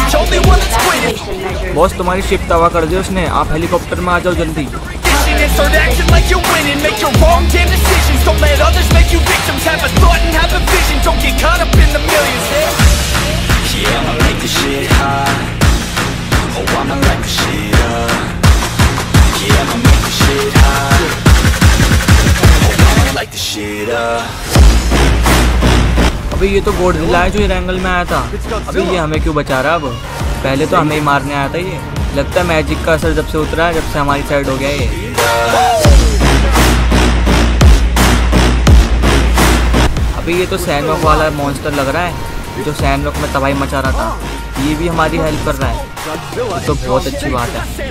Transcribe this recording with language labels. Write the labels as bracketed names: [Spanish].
[Hindi] Boss तुम्हारी ship तवा कर दे उसने, आप हेलीकॉप्टर में आ जाओ जल्दी। [English] Start acting like you're winning, make your wrong damn decisions. Don't let others make you victims. Have a thought and have a vision. Don't get caught up in the millions. Yeah, yeah, I'ma make this shit hot. Oh, I'ma light this shit up. Yeah, I'ma make this shit hot. Oh, I'ma light this shit up. [Hindi] अबे ये तो गोडज़िला है जो इस angle में आया था। अबे ये हमें क्यों बचा रहा अब? पहले तो हमें ही मारने आया था ये। लगता है मैजिक का असर जब से उतरा है, जब से हमारी साइड हो गया ये। अभी ये तो सैनरॉक वाला मॉन्स्टर लग रहा है, जो सैनरॉक में तबाही मचा रहा था, ये भी हमारी हेल्प कर रहा है, तो बहुत अच्छी बात है।